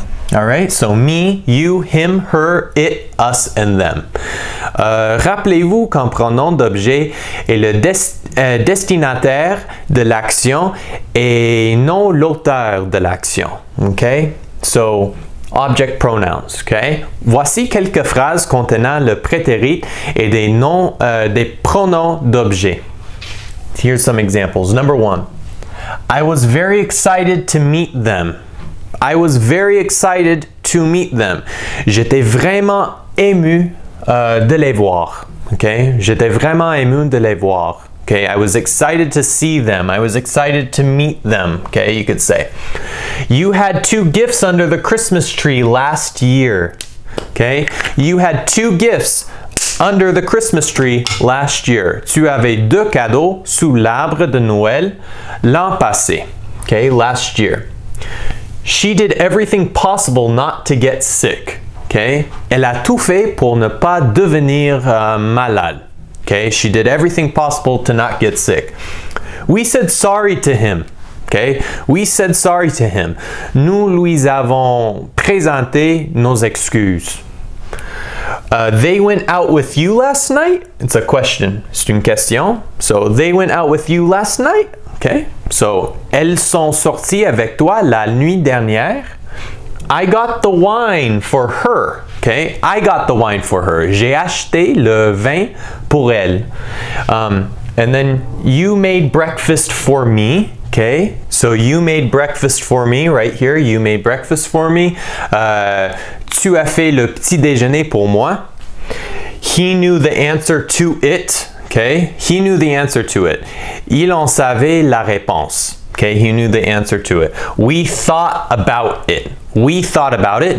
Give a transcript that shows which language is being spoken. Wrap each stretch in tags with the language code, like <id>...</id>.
<en>All right, so me, you, him, her, it, us, and them.</en> <fr>Rappelez-vous qu'un pronom d'objet est le destinataire de l'action et non l'auteur de l'action, okay? So,</fr> <en>Object pronouns,</en> <fr>okay? Voici quelques phrases contenant le prétérit et des noms, des pronoms d'objets.</fr> <en>Here's some examples. Number one. I was very excited to meet them. I was very excited to meet them.</en> <fr>J'étais vraiment ému de les voir.</fr> <en>Okay?</en> <fr>J'étais vraiment ému de les voir.</fr> <en>Okay? I was excited to see them. I was excited to meet them. Okay? You could say. You had two gifts under the Christmas tree last year. Okay? You had two gifts under the Christmas tree last year.</en> <fr>Tu avais deux cadeaux sous l'arbre de Noël l'an passé.</fr> <en>Okay? Last year. She did everything possible not to get sick. Okay?</en> <fr>Elle a tout fait pour ne pas devenir malade.</fr> <en>Okay? She did everything possible to not get sick. We said sorry to him. Okay? We said sorry to him.</en> <fr>Nous lui avons présenté nos excuses.</fr> <en>They went out with you last night? It's a question.</en> <fr>C'est une question.</fr> <en>So, they went out with you last night?</en> <fr>Okay, so, elles sont sorties avec toi la nuit dernière.</fr> <en>I got the wine for her. Okay, I got the wine for her.</en> <fr>J'ai acheté le vin pour elle.</fr> <en>And then, you made breakfast for me. Okay, so you made breakfast for me right here. You made breakfast for me.</en> <fr>Tu as fait le petit déjeuner pour moi.</fr> <en>He knew the answer to it. Okay, he knew the answer to it.</en> <fr>Il en savait la réponse.</fr> <en>Okay, he knew the answer to it. We thought about it. We thought about it.</en>